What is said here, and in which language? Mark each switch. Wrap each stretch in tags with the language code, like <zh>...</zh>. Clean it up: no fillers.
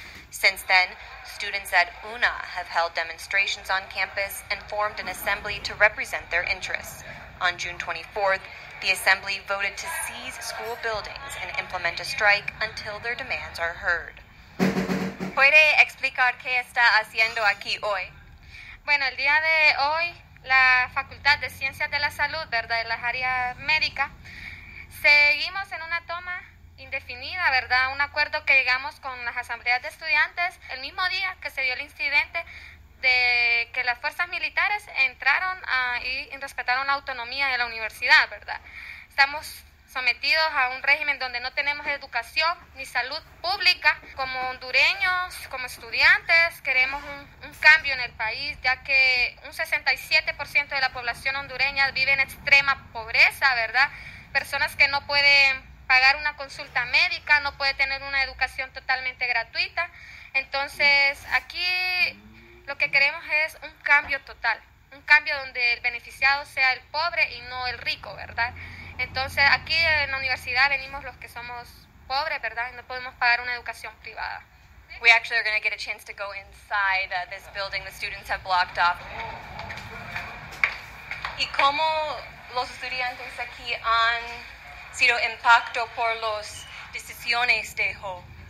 <en>Since then, students at UNA have held demonstrations on campus and formed an assembly to represent their interests. On June 24th, the assembly voted to seize school buildings and implement a strike until their demands are heard.</en> <es>¿Puede explicar qué está haciendo aquí hoy? Bueno, el día de hoy, la Facultad de Ciencias de la Salud, ¿verdad?, de las áreas médicas, seguimos en una toma indefinida, ¿verdad?, un acuerdo que llegamos con las asambleas de estudiantes el mismo día que se dio el incidente de que las fuerzas militares entraron y respetaron la autonomía de la universidad, ¿verdad? Estamos sometidos a un régimen donde no tenemos educación ni salud pública. Como hondureños, como estudiantes, queremos un cambio en el país, ya que un 67% de la población hondureña vive en extrema pobreza, ¿verdad? Personas que no pueden pagar una consulta médica, no pueden tener una educación totalmente gratuita. Entonces, aquí lo que queremos es un cambio total, un cambio donde el beneficiado sea el pobre y no el rico, ¿verdad? Entonces, aquí en la universidad venimos los que somos pobres, ¿verdad? No podemos pagar una educación privada.</es> <en>We actually are going to get a chance to go inside this building the students have blocked off.</en> <es>¿Y cómo los estudiantes aquí han sido impactados por las decisiones de hoy?</es>